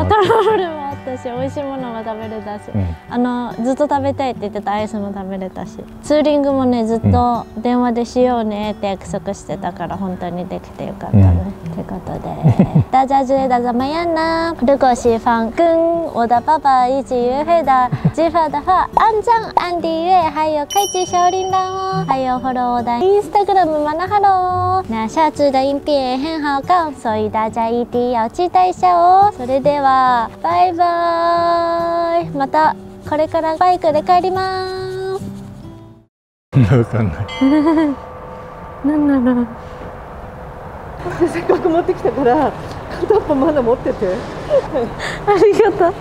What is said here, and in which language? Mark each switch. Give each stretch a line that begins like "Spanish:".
Japanese: あった、トラブルもあったし美味しいものも食べれたし、うん、あのずっと食べたいって言ってたアイスも食べれたし、ツーリングもねずっと電話でしようねって約束してたから本当にできてよかったね、うん、ということで
Chinese: 大家觉得怎么样呢？如果喜欢跟我的爸爸一起约会的计划的话，按赞、按订阅，还有开启小铃铛哦，还有 follow 我的 Instagram 马纳哈喽。那下次的影片很好看，所以大家一定要期待一下哦。
Japanese: それでは、バイバイ。またこれからバイクで帰ります。わかんない。なんなの？せっかく持ってきたから片っぽまだ持っててありがとう。